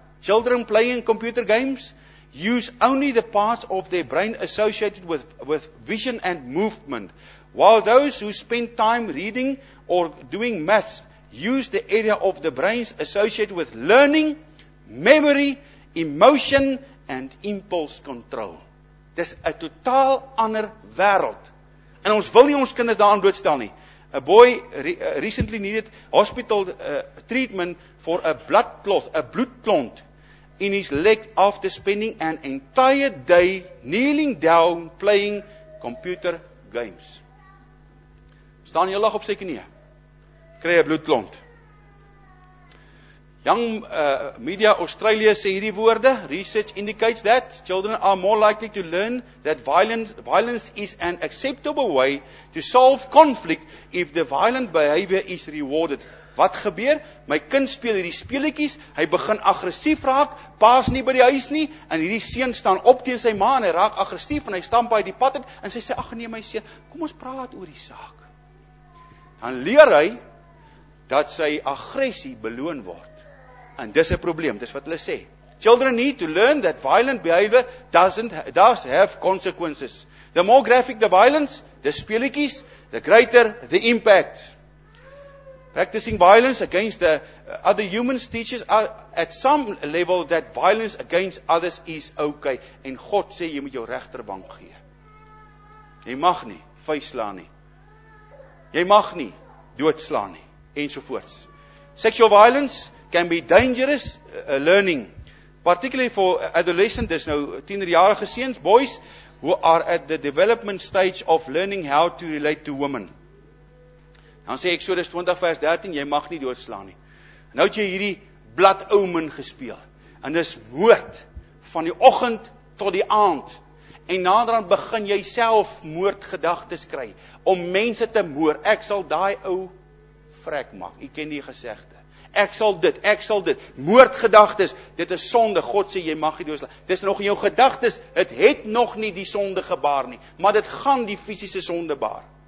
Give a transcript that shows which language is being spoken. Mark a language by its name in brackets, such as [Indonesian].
[English] Children playing computer games use only the parts of their brain associated with vision and movement, while those who spend time reading or doing maths use the area of the brains associated with learning, memory, emotion and impulse control. [Afrikaans] Dis 'n totaal ander wêreld. En ons wil nie ons kinders daaraan blootstel nie. [English] A boy recently needed hospital treatment for a blood clot in his leg after spending an entire day kneeling down playing computer games. [Afrikaans] Staan jy lag op sy knie? Kry 'n bloedklont. [English] Young Media Australia [Afrikaans] sê hierdie woorde, [English] research indicates that children are more likely to learn that violence is an acceptable way to solve conflict if the violent behavior is rewarded. [Afrikaans] Wat gebeur? My kind speel hierdie speletjies, hy begin aggressief raak, pa's nie by die huis nie, en hierdie seun staan op teen sy ma en hy raak aggressief en hy stamp uit die pad uit en sy sê, ag nee my seun, kom ons praat oor die saak. Dan leer hy dat sy aggressie beloon word. En dis 'n probleem, dis wat hulle sê. [English] Children need to learn that violent behavior does have consequences. The more graphic the violence, the speletjies, the greater the impact. Practicing violence against the other humans teaches at some level that violence against others is okay. [Afrikaans] En God sê, jy moet jou regterwang gee. Jy mag nie vuislaan nie. Jy mag nie doodslaan nie. Ensovoorts. [English] Sexual violence can be dangerous learning, particularly for adolescents, [Afrikaans] dis nou tienerjarige seuns, [English] boys, who are at the development stage of learning how to relate to women. [Afrikaans] Dan sê Exodus 20 vers 13, jy mag nie doodslaan nie. Nou het jy hierdie blad omen gespeel, en dis moord, van die oggend tot die aand, en naderaan begin jy self moordgedagtes kry, om mense te moord, ek sal daai ou vrek maak, jy ken die gesegde, ek sal dit, moordgedagtes, dit is sonde, God sê, jy mag nie doodslaan, dit is nog in jou gedagtes, het het nog nie die sonde gebaar nie, maar dit gaan die fysische sonde baar.